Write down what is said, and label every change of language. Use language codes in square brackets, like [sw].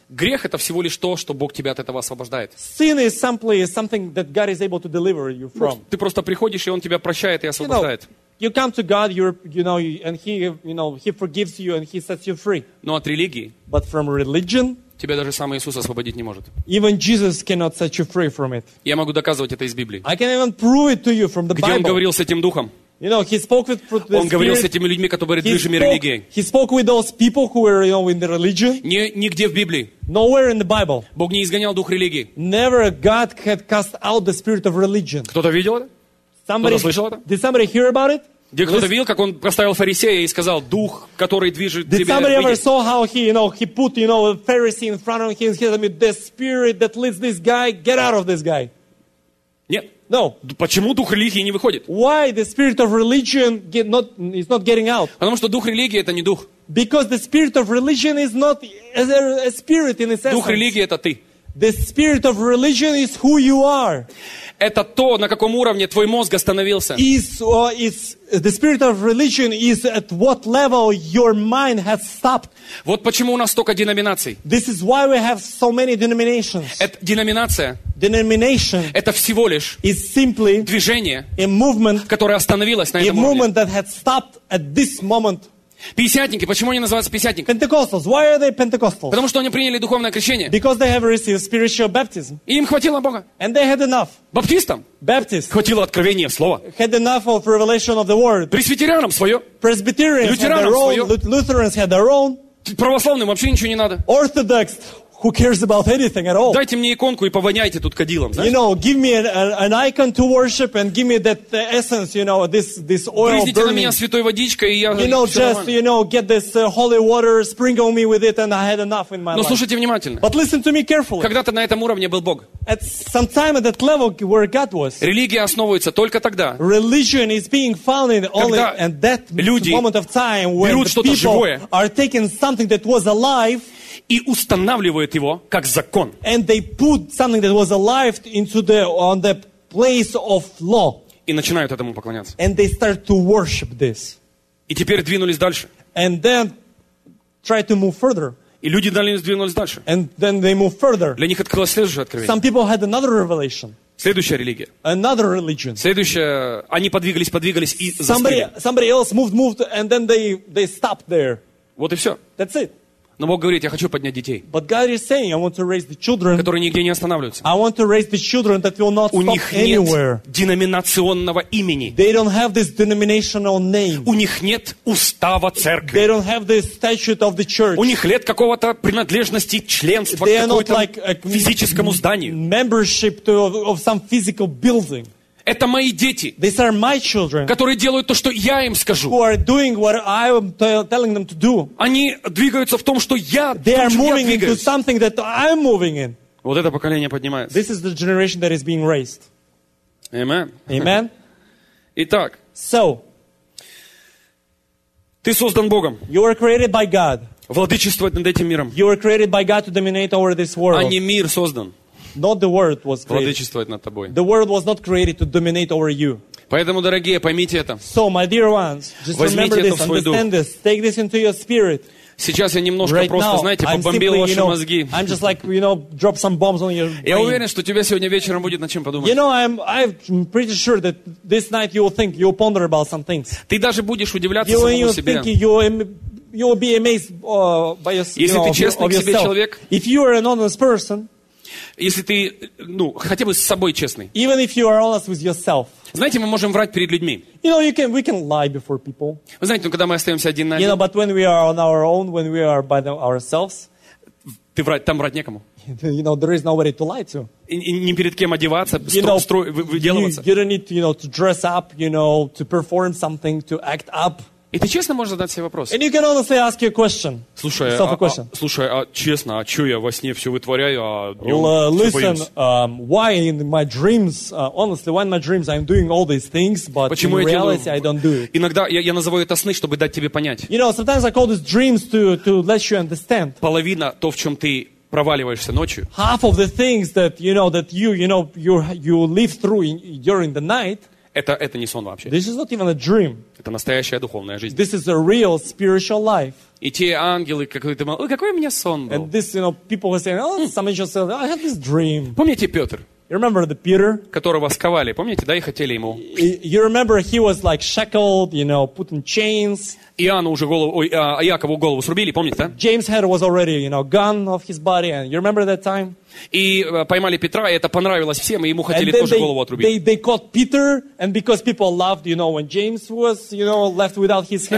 [ru] Грех — это всего лишь то, что Бог тебя от этого освобождает. [en] Sin is simply something that God is able to deliver you from. [ru] Ты просто приходишь, и Он тебя прощает и освобождает. [en] You come to God, you know, and He, you know, He forgives you and He sets you free. [ru] Но от религии. [en] But from religion. [ru] Тебя даже сам Иисус освободить не может. [en] Even Jesus cannot set you free from it. [ru] Я могу доказывать это из Библии. [en] I can even prove it to you from the Bible. [ru] Где он говорил с этим духом? [en] You know, he spoke with the spirit. [ru] Он говорил с этими людьми, которые движимы религией. [en] He spoke with those people who were, you know, in the religion. [ru] Нигде в Библии. [en] Nowhere in the Bible. [ru] Бог не изгонял дух религии. [en] Never God had cast out the spirit of religion. [ru] Кто-то видел это? [en] Somebody [ru] слышал это? [en] Did somebody hear about it? [ru] Где кто-то видел, как он поставил фарисея и сказал, дух, который движет тебя, [en] Did somebody ever saw how he, you know, he put, you know, a Pharisee in front of him and he said, the spirit that leads this guy, get out of this guy. [ru] Нет. [en] No. [ru] Почему дух религии не выходит? [en] Why the spirit of religion is not getting out? [ru] Потому что дух религии — это не дух. [en] Because the spirit of religion is not a spirit in its essence. [ru] Дух религии — это ты. [en] The spirit of religion is who you are. [ru] Это то, на каком уровне твой мозг остановился. [en] The spirit of religion is at what level your mind has stopped. [ru] Вот почему у нас столько деноминаций. [en] This is why we have so many denominations. [ru] Это деноминация. [en] Denomination. [ru] Это всего лишь. [en] Is simply. [ru] Движение. [en] A movement. [ru] Которое остановилось на этом уровне. [en] A movement that had stopped at this moment. [ru] Пятидесятники, почему они называются пятидесятниками? [en] Pentecostals, why are they Pentecostals? [ru] Потому что они приняли духовное крещение. [en] Because they have received spiritual baptism. [ru] И им хватило Бога. [en] And they had enough. [ru] Баптистам. [en] Baptists. [ru] Хватило откровения слова. [en] Had enough of revelation of the word. [ru] Пресвитерианам свое. [en] Presbyterians. [ru] Лютеранам свое. [en] Lutherans had their own. [ru] Православным вообще ничего не надо. [en] Orthodox. Who cares about anything at all? [ru] Дайте мне иконку и повоняйте тут кадилом, знаешь? [en] You know, give me an icon to worship and give me that essence, you know, this oil burning. [ru] Брызните на меня святой водичкой, и я. [en] You know, just you know, get this holy water, sprinkle me with it, and I had enough in my life. [ru] Но слушайте внимательно. [en] But listen to me carefully. [ru] Когда-то на этом уровне был Бог. [en] At some time at that level where God was. [ru] Религия основывается только тогда. [en] Religion is being founded only at that moment of time when the people are taking something that was alive. [ru] И устанавливают его как закон. [en] And they put something that was alive into on the place of law. [ru] И начинают этому поклоняться. [en] And they start to worship this. [ru] И теперь двинулись дальше. [en] And then try to move further. [ru] И люди дальше двинулись дальше. [en] And then they move further. [ru] Для них открылось следующее откровение. [en] Some people had another revelation. [ru] Следующая религия. Another religion. Следующая. Они подвигались и застыли. [en] Somebody else moved and then they stopped there. [ru] Вот и все. [en] That's it. [ru] Но Бог говорит, я хочу поднять детей. [en] But God is saying, I want to raise the children, [ru] которые нигде не останавливаются. [en] I want to raise the children that will not stop anywhere. [ru] У них нет [en] anywhere. [ru] Деноминационного имени. [en] They don't have this denominational name. [ru] У них нет устава церкви. [en] They don't have the statute of the church. [ru] У них нет какого-то принадлежности, членства к какому-то физическому зданию. [en] Membership of some physical building. [ru] Это мои дети. [en] These are my children, [ru] которые делают то, что я им скажу. [en] Who are doing what I am telling them to do. [ru] Они двигаются в том, что я двигаюсь. [en] They are moving into something that I'm moving in. [ru] Вот это поколение поднимается. [en] This is the generation that is being raised. Amen. Amen. [ru] Итак. [en] So. [ru] Ты создан Богом. [en] You are created by God. [ru] Владычествовать над этим миром. [en] You are created by God to dominate over this world. [ru] А не мир создан. [en] Not the world was created. [ru] Владычествовать над тобой. [en] The world was not created to dominate over you. [ru] Поэтому, дорогие, поймите это. [en] So, my dear ones, just remember this, understand this, take this into your spirit. [ru] Сейчас я немножко [en] right [ru] просто, [en] now, [ru] знаете, побомбил [en] simply, [ru] ваши [en] you know, [ru] мозги. [en] I'm just like, you know, drop some bombs on your brain. [ru] Я уверен, что тебе сегодня вечером будет над чем подумать. [en] You know, I'm pretty sure that this night you will think, you will ponder about some things. [ru] Ты даже будешь удивляться самому [en] you [ru] себе. [en] Thinking, you will be amazed by yourself. [ru] Если ты честный к себе человек. [en] If you are an honest person. [ru] Если ты, ну, хотя бы с собой честный. [en] Even if you are honest with yourself. [ru] Знаете, мы можем врать перед людьми. [en] You know, we can lie before people. [ru] Вы знаете, ну, когда мы остаемся один на один. [en] You know, but when we are on our own, when we are by ourselves. [ru] Ты врать, там врать некому. [en] You know, there is nobody to lie to. [ru] И не перед кем одеваться, выделываться. [en] You don't need to, you know, to dress up, you know, to perform something, to act up. [ru] И ты честно можешь задать себе вопрос. [en] And you can honestly ask your question. [ru] Слушай, а честно, а что я во сне все вытворяю, а днем [en] well, listen, why in my dreams, honestly, why in my dreams I'm doing all these things, but [ru] почему [en] in reality [ru] делаю... [en] I don't do it. [ru] Иногда я называю это сны, чтобы дать тебе понять. [en] You know, sometimes I call these dreams to let you understand. [ru] Половина то, в чем ты проваливаешься ночью. [en] Half of the things that you know that you live through during the night. [ru] Это не сон вообще. [en] This is not even a dream. [ru] Это настоящая духовная жизнь. [en] This is a real spiritual life. [ru] И те ангелы, которые думали, ой, какой у меня сон был. [en] And this, you know, people were saying, oh, some angels said, I had this dream. [ru] Помните Петр? [en] You remember the Peter? [ru] Которого сковали, помните, да, и хотели ему. [en] You remember he was like shackled, you know, put in chains. [ru] Иоанну уже голову, Якову голову срубили, помните, да? [en] James' head was already, you know, gone off his body, and you remember that time? [ru] И поймали Петра, и это понравилось всем, и ему хотели тоже голову отрубить. [en] They caught Peter, and because people loved, you know, when James was, you know, left without his head,